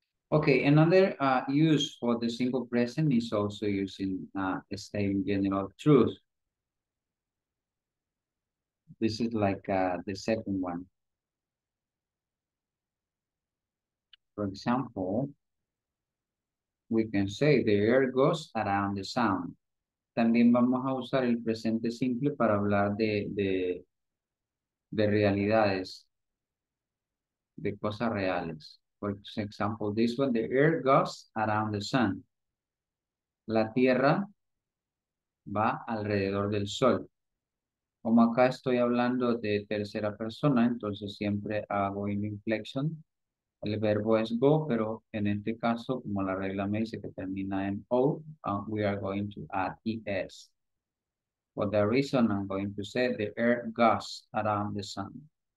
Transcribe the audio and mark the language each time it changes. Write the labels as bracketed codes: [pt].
[en] Okay, another use for the simple present is also using the same general truth. This is like the second one. For example, we can say the air goes around the sun. [es] También vamos a usar el presente simple para hablar de realidades, de cosas reales. [en] For example, this one, the air goes around the sun. [es] La tierra va alrededor del sol. Como acá estoy hablando de tercera persona, entonces siempre hago an inflection. El verbo es go, pero en este caso, como la regla me dice que termina en o, [en] we are going to add es. For that reason, I'm going to say the air goes around the sun.